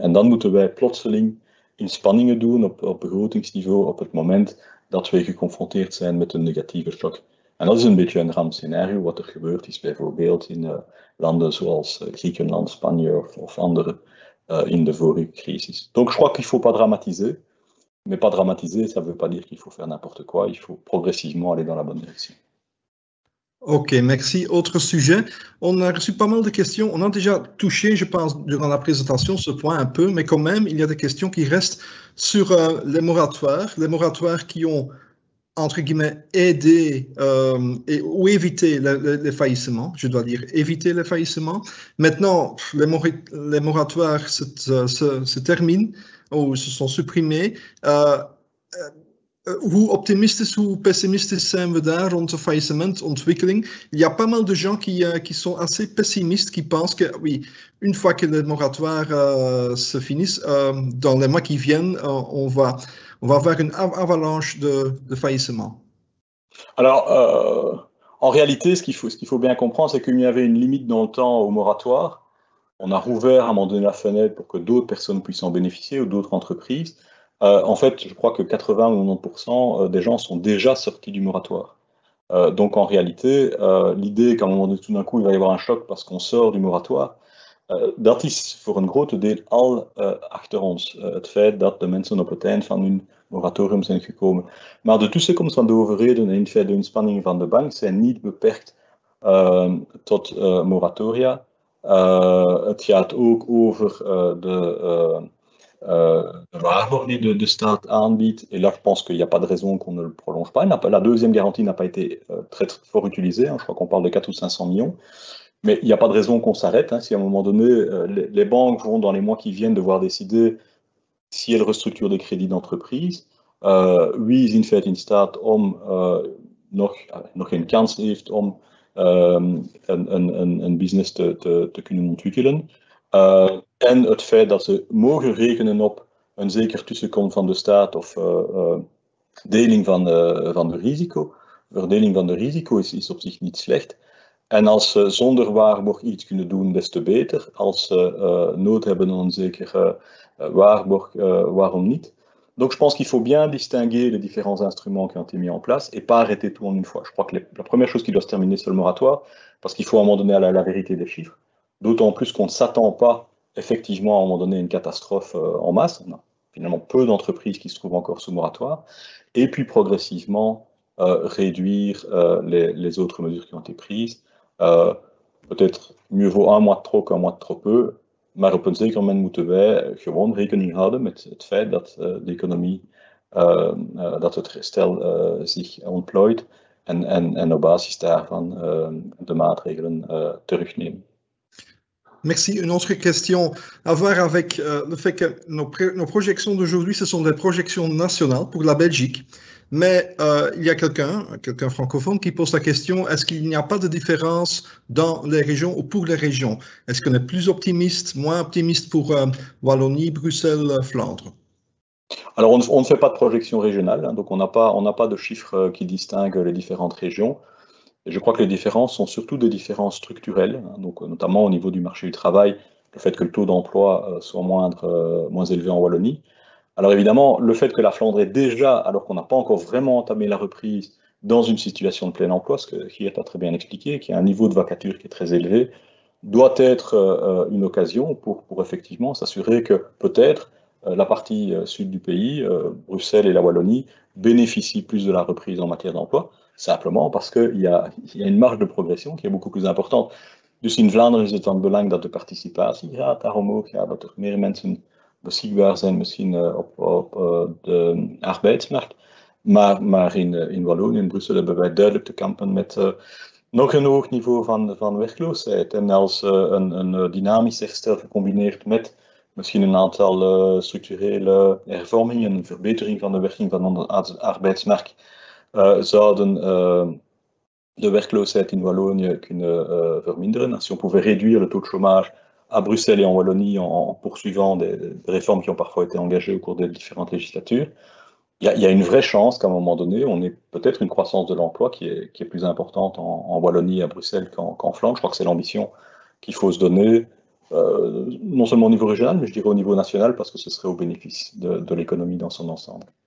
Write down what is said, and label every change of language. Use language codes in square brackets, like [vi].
[nl] En dan moeten wij plotseling inspanningen doen op begrotingsniveau op het moment dat we geconfronteerd zijn met een negatieve shock. En dat is een beetje een rampscenario. Wat er gebeurd is bijvoorbeeld in landen zoals Griekenland, Spanje of andere in de vorige crisis. [fr] Donc, je crois qu'il ne faut pas dramatiser. Mais pas dramatiser, ça ne veut pas dire qu'il faut faire n'importe quoi, il faut progressivement aller dans la bonne direction. Ok, merci. Autre sujet. On a reçu pas mal de questions. On a déjà touché, je pense, durant la présentation, ce point un peu, mais quand même, il y a des questions qui restent sur les moratoires. Les moratoires qui ont entre guillemets, aider ou éviter le faillissement, je dois dire éviter le faillissement. Maintenant, les moratoires se terminent ou se sont supprimés. [nl] Hoe optimistisch, hoe pessimistisch zijn we daar rond de faillissement, ontwikkeling? [fr] Il y a pas mal de gens qui sont assez pessimistes, qui pensent que, oui, une fois que les moratoires se finissent, dans les mois qui viennent, on va avoir une avalanche de faillissements. Alors, en réalité, ce qu'il faut bien comprendre, c'est qu'il y avait une limite dans le temps au moratoire. On a rouvert à un moment donné la fenêtre pour que d'autres personnes puissent en bénéficier ou d'autres entreprises. En fait, je crois que 80 ou 90% des gens sont déjà sortis du moratoire. Donc, en réalité, l'idée qu'à un moment donné, tout d'un coup, il va y avoir un choc parce qu'on sort du moratoire, [nl] dat is voor een groot deel al achter ons. Het feit dat de mensen op het eind van hun moratorium zijn gekomen. Maar de tussenkomst van de overheden en in feite de inspanning van de bank zijn niet beperkt tot moratoria. Het gaat ook over de waarborgen die de staat aanbiedt. [fr] Et là, je pense qu'il n'y a pas de raison qu'on ne le prolonge pas. La deuxième garantie n'a pas été très, très fort utilisée. Je crois qu'on parle de 4 ou 500 millions. Mais il n'y a pas de raison qu'on s'arrête. Si à un moment donné, les banques vont, dans les mois qui viennent, devoir décider si elles restructurent des crédits d'entreprise. [nl] Oui, wie is in feite in staat om nog een kans heeft om een business te kunnen ontwikkelen. En het feit dat ze mogen rekenen op een zeker tussenkomst van de staat of deling van de risico. Verdeling van de risico is op zich niet slecht. En als ze zonder waarborg iets kunnen doen, des te beter. Als ze nood hebben aan een zekere waarborg, waarom niet? [fr] Donc je pense qu'il faut bien distinguer les différents instruments qui ont été mis en place et pas arrêter tout en une fois. Je crois que la première chose qui doit se terminer, c'est le moratoire, parce qu'il faut à un moment donné à la vérité des chiffres. D'autant plus qu'on ne s'attend pas effectivement à un moment donné une catastrophe en masse. On a finalement peu d'entreprises qui se trouvent encore sous moratoire. Et puis progressivement réduire les autres mesures qui ont été prises. Peut-être mieux vaut un mois de trop qu'un mois de trop peu. [nl] Maar op een zeker moment moeten wij gewoon rekening houden met het feit dat de economie, dat het herstel zich ontplooit en op basis daarvan de maatregelen terugnemen. [fr] Merci. Une autre question à voir avec le fait que nos projections d'aujourd'hui, ce sont des projections nationales pour la Belgique. Mais il y a quelqu'un francophone, qui pose la question, est-ce qu'il n'y a pas de différence dans les régions ou pour les régions? Est-ce qu'on est plus optimiste, moins optimiste pour Wallonie, Bruxelles, Flandre? Alors, on ne fait pas de projection régionale, hein, donc on n'a pas de chiffres qui distinguent les différentes régions. Je crois que les différences sont surtout des différences structurelles, donc notamment au niveau du marché du travail, le fait que le taux d'emploi soit moins élevé en Wallonie. Alors évidemment, le fait que la Flandre est déjà, alors qu'on n'a pas encore vraiment entamé la reprise, dans une situation de plein emploi, ce que Geert a très bien expliqué, qui a un niveau de vacature qui est très élevé, doit être une occasion pour effectivement s'assurer que peut-être la partie sud du pays, Bruxelles et la Wallonie, bénéficient plus de la reprise en matière d'emploi. Simplement parce qu'il y a une marge de progression qui est beaucoup plus importante. [nl] Dus in Vlaanderen is het van belang dat de participatie gaat, daarom ook ja, dat er meer mensen beschikbaar zijn misschien op de arbeidsmarkt. Maar in Wallonië en Brussel hebben wij duidelijk te kampen met nog een hoog niveau van werkloosheid. En als een dynamisch herstel gecombineerd met misschien een aantal structurele hervormingen, een verbetering van de werking van onze arbeidsmarkt, zouden de werkloosheid in Wallonië kunnen verminderen. [fr] Si on pouvait réduire le taux de chômage à Bruxelles et en Wallonie en poursuivant des réformes qui ont parfois été engagées au cours des différentes législatures, il y a une vraie chance qu'à un moment donné, on ait peut-être une croissance de l'emploi qui est plus importante en Wallonie et à Bruxelles qu'en Flandre. Je crois que c'est l'ambition qu'il faut se donner, non seulement au niveau régional, mais je dirais au niveau national, parce que ce serait au bénéfice de l'économie dans son ensemble.